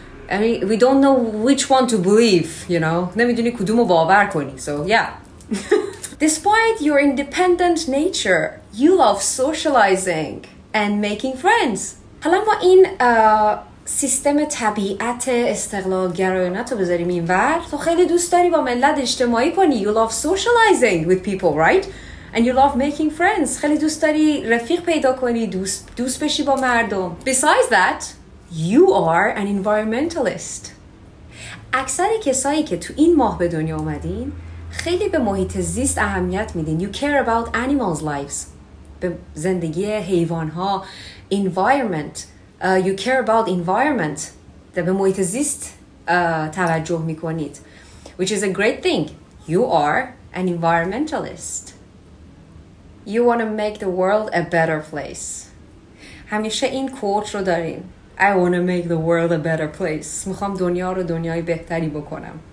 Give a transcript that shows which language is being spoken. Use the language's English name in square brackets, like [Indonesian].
[English] I mean, we don't know which one to believe, you know. [Persian] نمیدونی کدومو باور کنی. [English] So, yeah. Despite your independent nature, you love socializing and making friends. [Persian] حالا ما این سیستم طبیعت استقلال گرایانه تو بذاریم این ور، تو خیلی دوست داری با ملت اجتماعی کنی. [English] You love socializing with people, right? And you love making friends. [Persian] خیلی دوست داری رفیق پیدا کنی، دوست بشی با مردم. [English] Besides that, you are an environmentalist. [Persian] اکثر کسایی که تو این ماه به دنیا اومدین خیلی به محیط زیست اهمیت میدین. [English] You care about animals' lives. [Persian] به زندگی حیوان ها. [English] Environment. You care about environment. [Persian] ده به محیط زیست توجه میکنید. [English] Which is a great thing. You are an environmentalist. You want to make the world a better place. [Persian] همیشه این کوت رو داریم. [English] I want to make the world a better place. [Persian] میخوام دنیا رو دنیای بهتری بکنم.